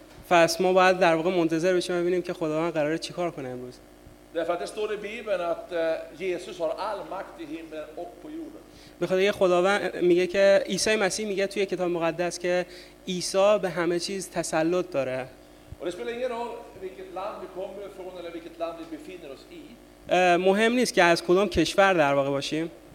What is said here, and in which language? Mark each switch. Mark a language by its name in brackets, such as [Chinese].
[Persian] پس ما باید در واقع منتظر بشیم ببینیم که خداوند قراره چی کار کنه امروز. [Swedish] Därför att det står i Bibeln att Jesus har all makt i himlen och på jorden. [Persian] به خاطر اینکه خداوند میگه که عیسی مسیح میگه توی کتاب مقدس که عیسی به همه چیز تسلط داره. [Swedish] Och det spelar ingen roll vilket land vi kommer ifrån eller vilket land vi befinner oss i. [Persian] مهم نیست که از کدام کشور در واقع باشیم.